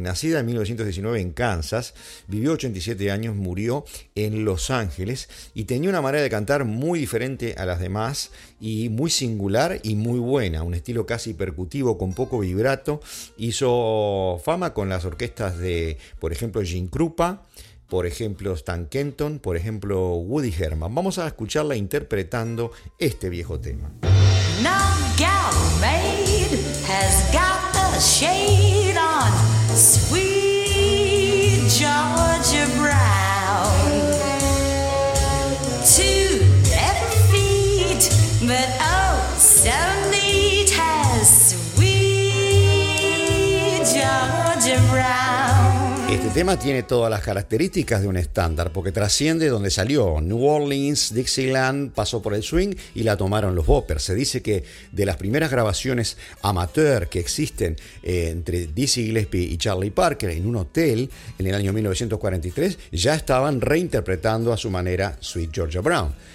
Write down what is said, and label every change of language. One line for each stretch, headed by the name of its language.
Spanish: Nacida en 1919 en Kansas, vivió 87 años, murió en Los Ángeles y tenía una manera de cantar muy diferente a las demás y muy singular y muy buena. Un estilo casi percutivo con poco vibrato. Hizo fama con las orquestas de, por ejemplo, Gene Krupa, por ejemplo, Stan Kenton, por ejemplo, Woody Herman. Vamos a escucharla interpretando este viejo tema.
English: No gal maid has got the shade on sweet Georgia Brown. To every But oh, so neat has sweet Georgia Brown.
Spanish: Este tema tiene todas las características de un estándar, porque trasciende donde salió. New Orleans, Dixieland, pasó por el swing y la tomaron los boppers. Se dice que de las primeras grabaciones amateur que existen entre Dizzy Gillespie y Charlie Parker en un hotel en el año 1943, ya estaban reinterpretando a su manera Sweet Georgia Brown.